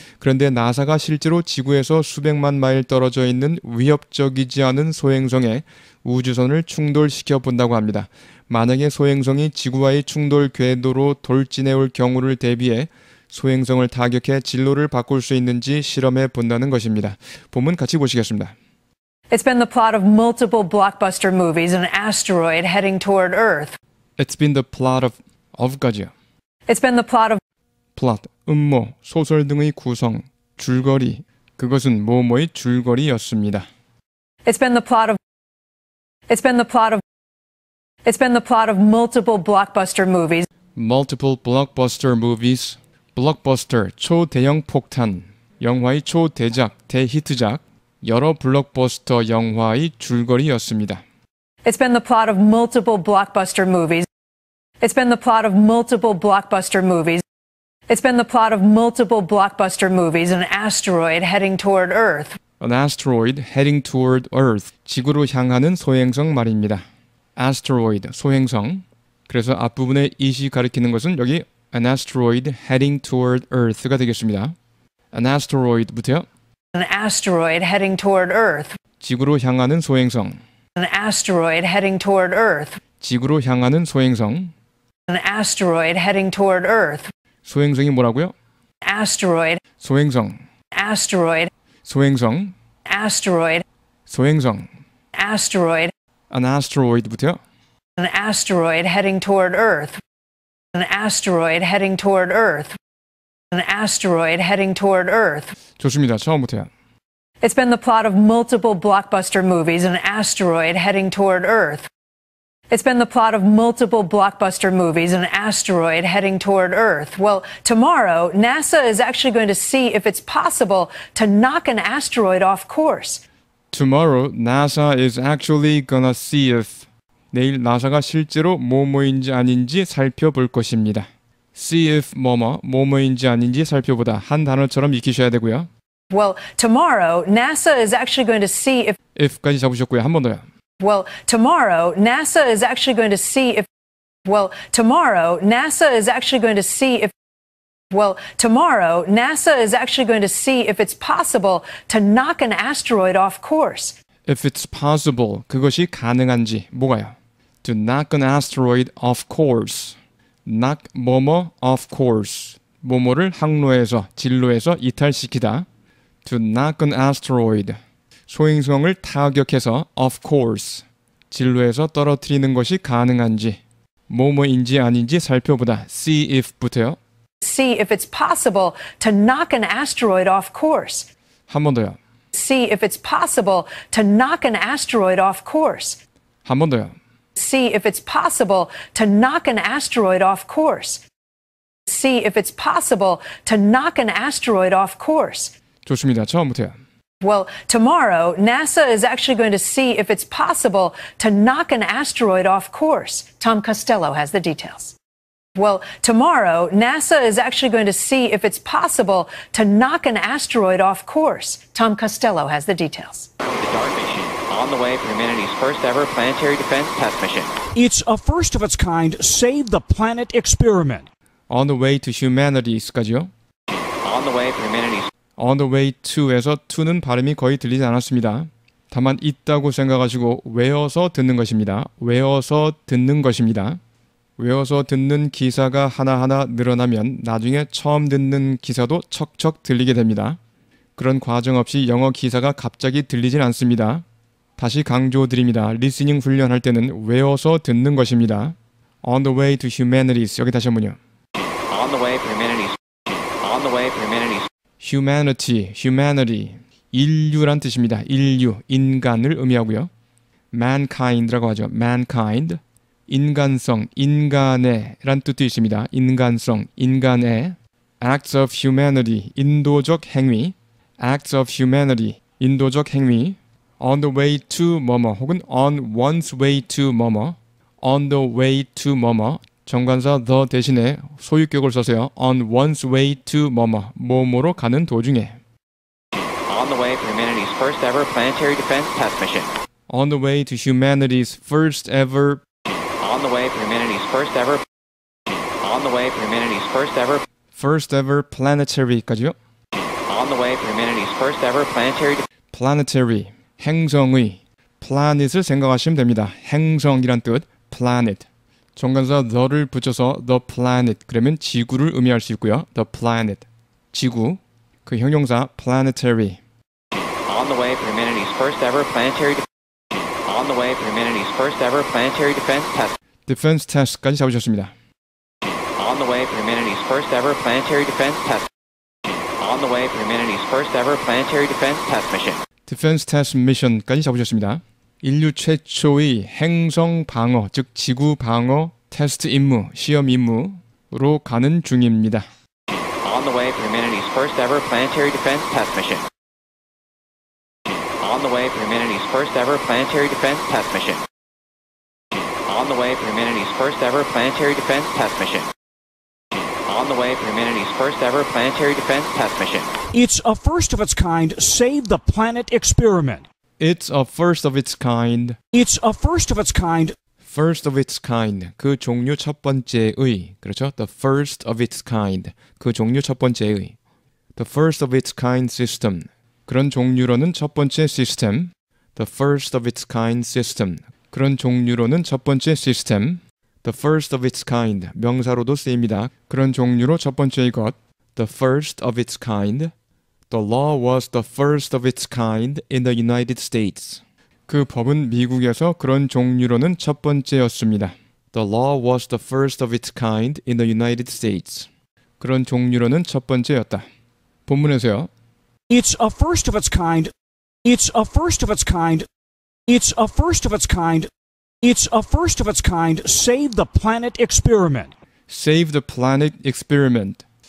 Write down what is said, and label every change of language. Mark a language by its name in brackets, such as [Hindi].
[Korean] 그런데 나사가 실제로 지구에서 수백만 마일 떨어져 있는 위협적이지 않은 소행성에 우주선을 충돌시켜본다고 합니다. 만약에 소행성이 지구와의 충돌 궤도로 돌진해올 경우를 대비해 소행성을 타격해 진로를 바꿀 수 있는지 실험해본다는 것입니다. 본문 같이 보시겠습니다. [English] It's been the plot of multiple blockbuster movies, an asteroid heading toward Earth. It's been the plot of [Korean] 가지요. [English] It's been the plot of [Korean] plot, 음모, 소설 등의 구성, 줄거리, 그것은 뭐뭐의 줄거리였습니다. [English] It's been the plot of It's been the plot of It's been the plot of multiple blockbuster movies. Multiple blockbuster movies. [Korean] Blockbuster, 초대형 폭탄, 영화의 초대작, 대히트작. 여러 블록버스터 영화의 줄거리였습니다. [English] It's been the plot of multiple blockbuster movies. It's been the plot of multiple blockbuster movies. It's been the plot of multiple blockbuster movies. An asteroid heading toward Earth. An asteroid heading toward Earth. [Korean] 지구로 향하는 소행성 말입니다. Asteroid, 소행성. 그래서 앞부분의 이시 가리키는 것은 여기 [English] An asteroid heading toward Earth [Korean] 가 되겠습니다. [English] An asteroid [Korean] 부터요. [English] An asteroid heading toward Earth. [Korean] 지구로 향하는 소행성. [English] An asteroid heading toward Earth. [Korean] 지구로 향하는 소행성. [English] An asteroid heading toward Earth. [Korean] 소행성이 뭐라고요? [English] Asteroid. [Korean] 소행성. [English] Asteroid. [Korean] 소행성. [English] Asteroid. [Korean] 소행성. [English] Asteroid. An asteroid [Korean] 부터요. [English] An asteroid heading toward Earth. An asteroid heading toward Earth. An asteroid heading toward Earth. [Korean] 좋습니다. 처음부터요. [English] It's been the plot of multiple blockbuster movies, an asteroid heading toward Earth. It's been the plot of multiple blockbuster movies, an asteroid heading toward Earth. Well, tomorrow, NASA is actually going to see if it's possible to knock an asteroid off course. Tomorrow, NASA is actually gonna see if [Korean] 내일 나사가 실제로 뭐뭐인지 아닌지 살펴볼 것입니다. [English] See if [Korean] 뭐뭐, 뭐뭐인지 아닌지 살펴보다 한 단어처럼 익히셔야 되고요. [English] Well, tomorrow, NASA is actually going to see if [Korean] If까지 잡으셨고요. 한 번 더요. [English] Well, tomorrow, NASA is actually going to see if Well, tomorrow, NASA is actually going to see if Well, tomorrow, NASA is actually going to see if it's possible to knock an asteroid off course. If it's possible, [Korean] 그것이 가능한지, 뭐가요? [English] To knock an asteroid off course. Knock [Korean] 뭐뭐 [English] off course. [Korean] 뭐뭐를 항로에서, 진로에서 이탈시키다. [English] To knock an asteroid. [Korean] 소행성을 타격해서 [English] off course. [Korean] 진로에서 떨어뜨리는 것이 가능한지. 뭐뭐인지 아닌지 살펴보다. [English] See if [Korean] 부터요. [English] See if it's possible to knock an asteroid off course. [Korean] 한 번 더요. [English] See if it's possible to knock an asteroid off course. 한 번 더요. See if it's possible to knock an asteroid off course. See if it's possible to knock an asteroid off course. [Korean] 좋습니다. 처음부터요. [English] Well, tomorrow, NASA is actually going to see if it's possible to knock an asteroid off course. Tom Costello has the details. Well, tomorrow, NASA is actually going to see if it's possible to knock an asteroid off course. Tom Costello has the details. The DART mission on the way for humanity's first ever planetary defense test mission. It's a first of its kind Save the Planet experiment. On the way to humanity's, [Korean] 가지요? [English] On the way for humanity's. On the way to [Korean] 에서 to는 발음이 거의 들리지 않았습니다. 다만 있다고 생각하시고 외워서 듣는 것입니다. 외워서 듣는 것입니다. 외워서 듣는 기사가 하나하나 늘어나면 나중에 처음 듣는 기사도 척척 들리게 됩니다. 그런 과정 없이 영어 기사가 갑자기 들리진 않습니다. 다시 강조드립니다. 리스닝 훈련할 때는 외워서 듣는 것입니다. [English] On the way to humanities. [Korean] 여기 다시 한번요. [English] On the way for humanities. On the way for humanities. Humanity, humanity, [Korean] 인류란 뜻입니다. 인류, 인간을 의미하고요. Mankind라고 하죠. Mankind, 인간성, 인간의란 뜻도 있습니다. 인간성, 인간의. [English] Acts of humanity, [Korean] 인도적 행위. [English] Acts of humanity, 인도적 행위. On the way to [Korean] 뭐뭐, 혹은 [English] on one's way to 뭐뭐. On the way to 뭐뭐. [Korean] 정관사 the 대신에 소유격을 써세요. [English] On one's way to [Korean] 뭐뭐, 뭐뭐로 가는 도중에. [English] On the way for humanity's first ever planetary defense test mission. On the way to humanity's first ever. On the way to humanity's first ever. On the way to humanity's first ever. First ever planetary까지요? On the way to humanity's first ever planetary. [Korean] Planetary, 행성의. Planet을 생각하시면 됩니다. 행성이란 뜻, planet. 정관사 the를 붙여서 the planet, 그러면 지구를 의미할 수 있고요. The planet, 지구. 그 형용사 planetary. [English] On the way to humanity's first ever planetary. On the way for humanity's first ever planetary defense test. Defense test [Korean] 까지 잡으셨습니다. [English] On the way for humanity's first ever planetary defense test. On the way for humanity's first ever planetary defense test mission. Defense test mission [Korean] 까지 잡으셨습니다. 인류 최초의 행성 방어, 즉 지구 방어 테스트 임무, 시험 임무로 가는 중입니다. [English] On the way for humanity's first ever planetary defense test mission. On the way for humanity's first ever planetary defense test mission. On the way for humanity's first ever planetary defense test mission. On the way for humanity's first ever planetary defense test mission. It's a first of its kind save the planet experiment. It's a first of its kind. It's a first of its kind. First of its kind. [Korean] 그 종류 첫 번째의. 그렇죠? [English] The first of its kind. [Korean] 그 종류 첫 번째의. [English] The first of its kind system. [Korean] 그런 종류로는 첫 번째 시스템, [English] the first of its kind system. [Korean] 그런 종류로는 첫 번째 시스템, [English] the first of its kind. [Korean] 명사로도 쓰입니다. 그런 종류로 첫 번째 것, [English] the first of its kind. The law was the first of its kind in the United States. [Korean] 그 법은 미국에서 그런 종류로는 첫 번째였습니다. [English] The law was the first of its kind in the United States. [Korean] 그런 종류로는 첫 번째였다. 본문에서요. [English] It's a first of its kind. It's a first of its kind. It's a first of its kind. It's a first of its kind. Save the planet experiment. Save the planet experiment.